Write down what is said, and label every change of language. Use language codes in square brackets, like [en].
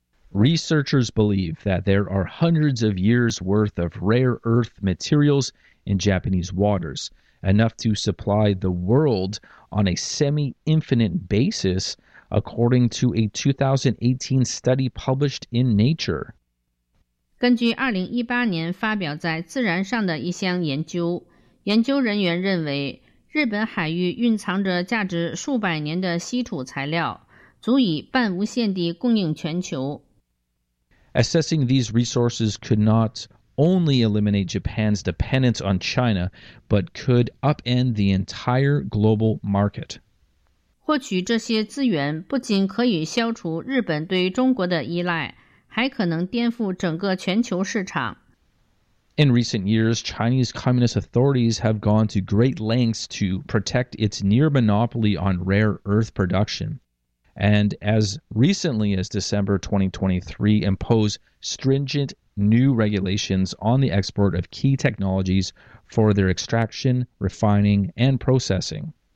[en] Researchers believe that there are hundreds of years worth of rare earth materials in Japanese waters, enough to supply the world on a semi-infinite basis,according to a 2018 study published in Nature. [zh] 根据2018年发表在《自然》上的一项研究，研究人员认为，日本海域蕴藏着价值数百年的稀土材料，足以半无限地供应全球。 [en] Assessing these resources could not only eliminate Japan's dependence on China, but could upend the entire global market. [zh] 获取这些资源不仅可以消除日本对中国的依赖，还可能颠覆整个全球市场。 [en] In recent years, Chinese communist authorities have gone to great lengths to protect its near monopoly on rare earth production, and as recently as December 2023, impose stringent new regulations on the export of key technologies for their extraction, refining, and processing.